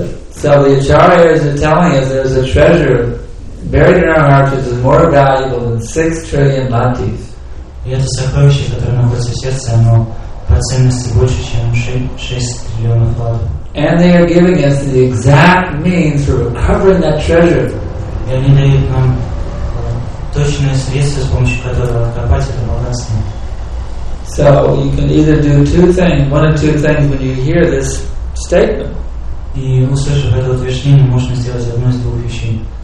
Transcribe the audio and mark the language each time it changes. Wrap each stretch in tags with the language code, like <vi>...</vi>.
<en>So the acharyas are telling us there's a treasure buried in our hearts which is more valuable than 6 trillion latis.</en> <ru>Это сокровище, которое находится в сердце, оно по ценности больше, чем 6 триллионов латов.</ru> <en>And they are giving us the exact means for recovering that treasure.</en> <ru>И они дают нам точное средство, с помощью которого копать это богатство.</ru> <en>So you can either do one of two things when you hear this statement.</en> <ru>И услышав это утверждение, можно сделать одно из двух вещей.</ru>